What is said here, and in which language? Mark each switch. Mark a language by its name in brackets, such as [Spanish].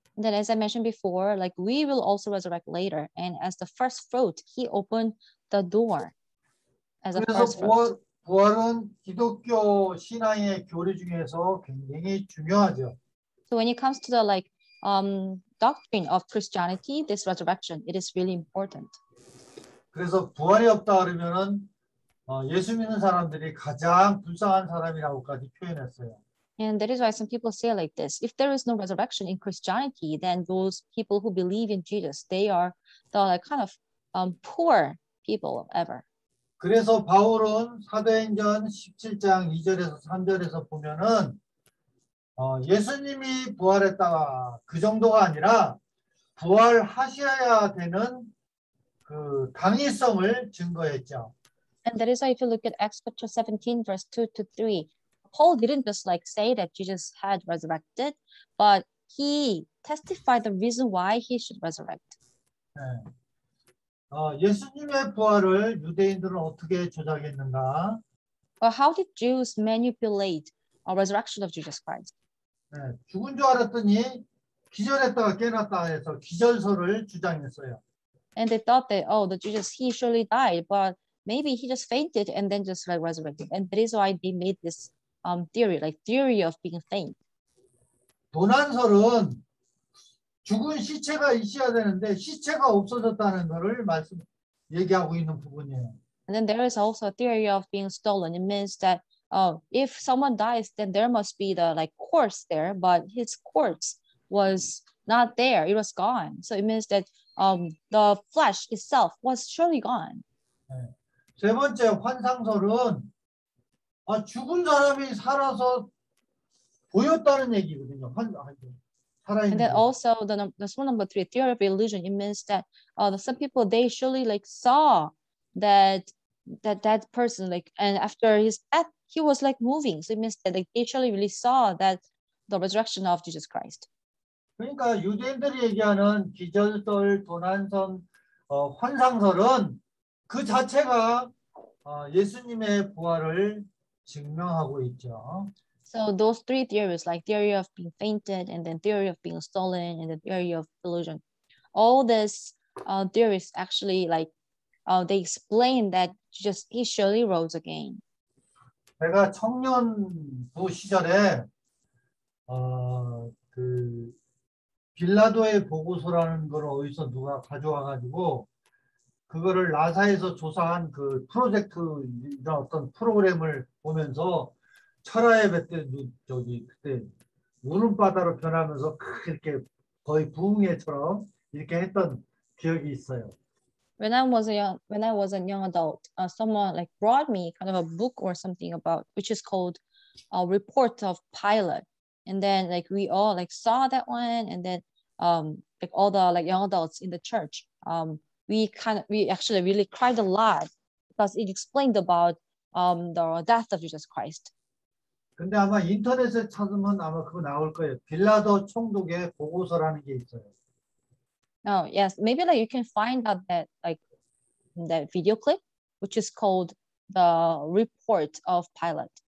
[English] And then as I mentioned before, like we will also resurrect later. And as the first fruit, he opened the door as a first fruit. [Korean] 부활은 기독교 신앙의 교리 중에서 굉장히 중요하죠. [English] So when it comes to the like doctrine of Christianity, this resurrection, it is really important. [Korean] 그래서 부활이 없다 그러면은 예수 믿는 사람들이 가장 불쌍한 사람이라고까지 표현했어요. [English] And that is why some people say like this, if there is no resurrection in Christianity, then those people who believe in Jesus, they are the kind of poor people ever. [Korean] 그래서 바울은 사도행전 17장 2절에서 3절에서 보면은 예수님이 부활했다 그 정도가 아니라 부활하셔야 되는 그 당위성을 증거했죠. [English] And that is why if you look at Acts chapter 17 verse 2 to 3, Paul didn't just like say that Jesus had resurrected, but he testified the reason why he should resurrect. [Korean] 네. 예수님의 부활을 유대인들은 어떻게 조작했는가? [English] But how did Jews manipulate a resurrection of Jesus Christ? [Korean] 네. 죽은 줄 알았더니 기절했다가 깨났다 해서 기절설을 주장했어요. [English] And they thought that oh, the Jesus he surely died, but maybe he just fainted and then just like resurrected, and that is why they made this theory, like theory of being faint. [Korean] 도난설은 죽은 시체가 있어야 되는데 시체가 없어졌다는 것을 말씀 얘기하고 있는 부분이에요. [English] And then there is also a theory of being stolen. It means that if someone dies, then there must be the like corpse there, but his corpse was not there. It was gone. So it means that the flesh itself was surely gone. [Korean] 세 번째 환상설은 아 죽은 사람이 살아서 보였다는 얘기거든요. [English] And then also the small number three theory of illusion. It means that some people they surely like saw that person like and after his death he was like moving. So it means that like, they surely really saw that the resurrection of Jesus Christ. [Korean] 그러니까 유대인들이 얘기하는 기절설, 도난설, 환상설은 그 자체가 예수님의 부활을 증명하고 있죠. [English] So those three theories, like theory of being fainted, and then theory of being stolen, and the theory of illusion, all these theories actually like they explain that Jesus he surely rose again. [Korean] 제가 청년부 시절에 그 빌라도의 보고서라는 걸 어디서 누가 가져와가지고 그거를 나사에서 조사한 그 프로젝트나 어떤 프로그램을 보면서 철하에 그때 저기 그때 우름바다로 변하면서 그렇게 거의 부흥회처럼 이렇게 했던 기억이 있어요. [English] When I was a young adult, someone like brought me kind of a book or something about which is called a report of Pilate. And then like we all like saw that one and then like all the like young adults in the church we actually really cried a lot because it explained about the death of Jesus Christ. [Korean] 근데 아마 인터넷에 찾으면 아마 그거 나올 거예요. 빌라도 총독의 보고서라는 게 있어요. [English] Oh, yes. Maybe like you can find out that like in that video clip which is called the report of Pilate.